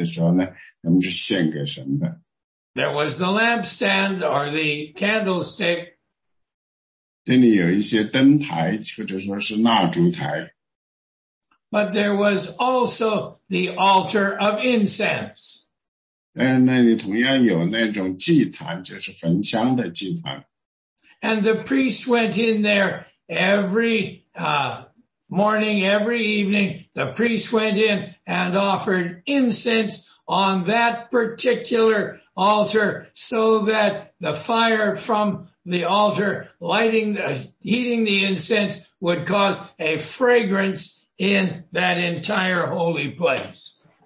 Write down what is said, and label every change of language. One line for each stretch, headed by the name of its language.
Chinese: 里面呢也有一些桌子，桌子上呢其实放着那些无酵的面包，这些面包的饼呢就是当他们献祭的时候呢，他们是献给神的。
English: There was the lampstand or the candlestick.
Chinese: 这里有一些灯台，或者说是蜡烛台。
English: But there was also the altar of incense.
Chinese: 但是那里同样有那种祭坛，就是焚香的祭坛。
English: And the priest went in there every morning, every evening. The priest went in and offered incense on that particular altar so that the fire from the altar heating the incense would cause a fragrance in that entire holy place.